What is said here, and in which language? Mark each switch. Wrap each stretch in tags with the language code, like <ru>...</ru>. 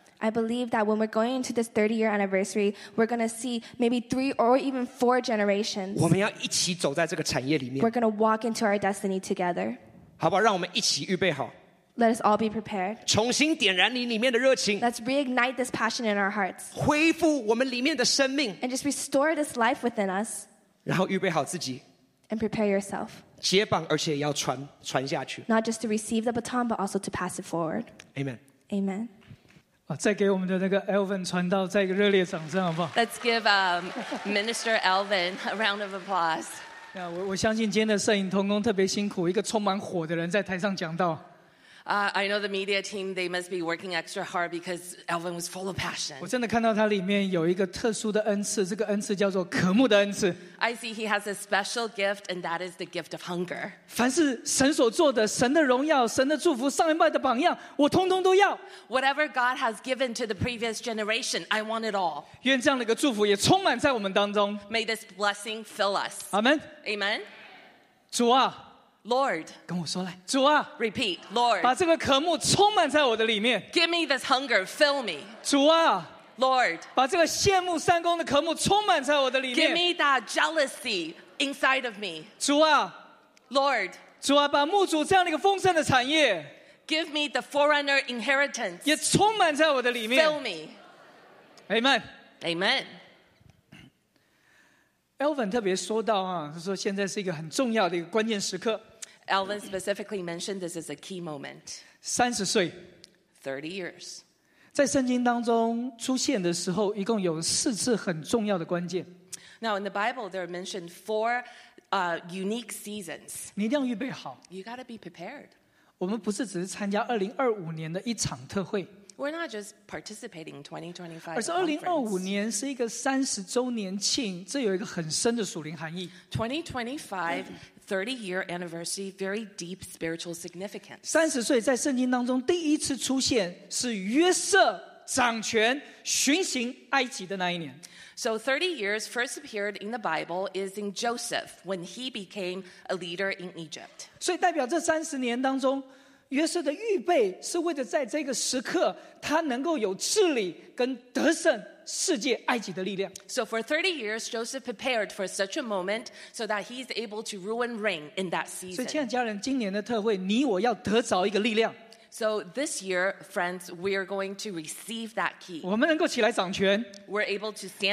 <en>I believe that when we're going into this 30-year anniversary, we're going to see maybe 3 or even 4 generations.</en> <zh>我们要一起走在这个产业里面。</zh> <en>We're going to walk into our destiny together.</en> <zh>好吧，让我们一起预备好。</zh> <en>Let us all be prepared.</en> <zh>重新点燃你里面的热情。</zh> <en>Let's reignite this passion in our hearts.</en> <zh>恢复我们里面的生命。</zh> <en>And just restore this life within us.</en> <zh>然后预备好自己。</zh> <en>And prepare yourself.</en> <zh>接棒，而且要传下去。</zh> <en>Not just to receive the baton, but also to pass it forward. Amen. Amen.</en> <zh>再给我们的那个 Elvin 传道再一个热烈掌声好不好</zh> <en>Let's give Minister Elvin a round of applause.</en> <zh>Yeah, 我相信今天的摄影同工特别辛苦，一个充满火的人在台上讲道。</zh> <en>I know the media team, they must be working extra hard because Elvin was full of passion.</en> <zh>我真的看到他里面有一个特殊的恩赐，这个恩赐叫做渴慕的恩赐。</zh> <en>I see he has a special gift, and that is the gift of hunger.</en> <zh>凡是神所做的，神的荣耀，神的祝福，上一辈的榜样，我通通都要。</zh> <en>Whatever God has given to the previous generation, I want it all.</en> <zh>愿这样的一个祝福也充满在我们当中。</zh> <en>May this blessing fill us. Amen. Amen.</en> <zh>主啊。</zh> <en>Lord,</en> <zh>跟我说来，主啊</zh> <en>，Repeat, Lord,</en> <zh>把这个渴慕充满在我的里面。</zh> <en>Give me this hunger, fill me.</en> <zh>主啊</zh> <en>，Lord,</en> <zh>把这个羡慕三公的渴慕充满在我的里面。</zh> <en>Give me that jealousy inside of me.</en> <zh>主啊</zh> <en>，Lord,</en> <zh>主啊，把牧主这样的一个丰盛的产业</zh> <en>，Give me the forerunner inheritance，</en> <zh>也充满在我的里面。</zh> <en>Fill me. Amen. Amen.</en> <zh>Elvin 特别说到啊，他说现在是一个很重要的一个关键时刻。</zh> <en>Elvin specifically mentioned this is a key moment.</en> <zh>30岁</zh> <en>，30 years，</en> <zh>在圣经当中出现的时候，一共有4次很重要的关键。</zh> <en>Now in the Bible there are mentioned 4 unique seasons.</en> <zh>你一定要预备好。</zh> <en>You gotta be prepared.</en> <zh>我们不是只是参加2025年的一场特会。</zh> <en>We're not just participating in 2025.</en> <zh>而是2025年是一个30周年庆，这有一个很深的属灵含义。</zh> <en>2025, 30-year anniversary, very deep spiritual significance.</en> <zh>30岁在圣经当中第一次出现是约瑟掌权巡行埃及的那一年。</zh> <en>So 30 years first appeared in the Bible is in Joseph when he became a leader in Egypt.</en> <zh>所以代表这30年当中。约瑟的预备是为了在这个时刻他能够有治理跟得胜世界埃及的力量。</zh> <en>So for 30 years, Joseph prepared for such a moment so that he's able to rule and reign in that season.</en> <zh>所以亲爱的家人，今年的特会，你我要得着一个力量。</zh> <en>So this year, friends, we are going to receive that key.</en> <zh>我们能够起来掌权。</zh> <en>We're able to stand up and</en>